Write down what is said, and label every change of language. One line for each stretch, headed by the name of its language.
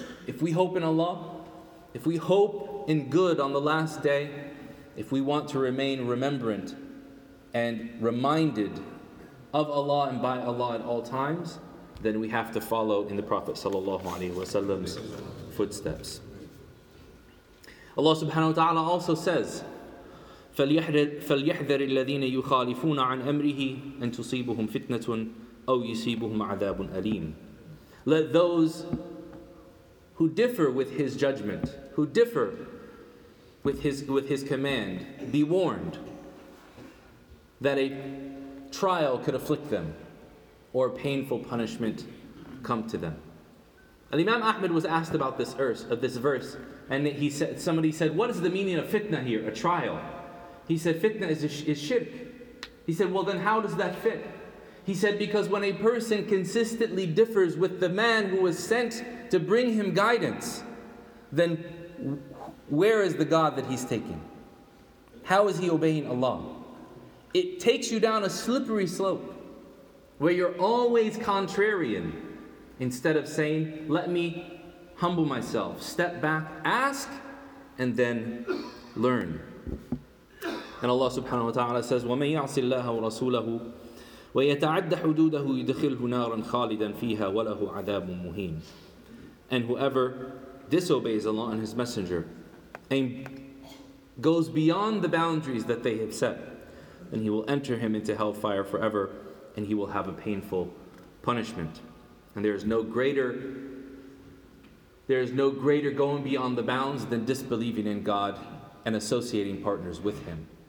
English: If we hope in Allah, if we hope in good on the last day, if we want to remain remembrant and reminded of Allah and by Allah at all times, then we have to follow in the Prophet
Arabic: sallallahu alaihi wasallam's
English: footsteps.
Arabic: Allah subhanahu wa ta'ala
English: also says,
Arabic: فَلْيَحْذَرِ الَّذِينَ يُخَالِفُونَ عَنْ أَمْرِهِ أَنْ تُصِيبُهُمْ فِتْنَةٌ أَوْ يُصِيبُهُمْ عَذَابٌ أَلِيمٌ.
English: Let those who differ with His judgment, who differ with his command, be warned that a trial could afflict them, or painful punishment come to them. Al-Imam Ahmad was asked about this verse, and he said, somebody said, what is the meaning of fitna here, a trial? He said, fitna is shirk. He said, well then how does that fit? He said, because when a person consistently differs with the man who was sent to bring him guidance, then where is the God that he's taking? How is he obeying Allah? It takes you down a slippery slope, where you're always contrarian, instead of saying, let me humble myself, step back, ask, and then learn. And
Arabic: Allah subhanahu wa ta'ala
English: says,
Arabic: وَمَنْ يَعْصِ اللَّهَ وَرَسُولَهُ وَيَتَعَدَّ حُدُودَهُ يُدْخِلْهُ نَارًا خَالِدًا فِيهَا وَلَهُ عَذَابٌ مُهِينٌ.
English: And whoever disobeys Allah and His Messenger and goes beyond the boundaries that they have set, then he will enter him into hellfire forever, and he will have a painful punishment. And there is no greater going beyond the bounds than disbelieving in God and associating partners with Him.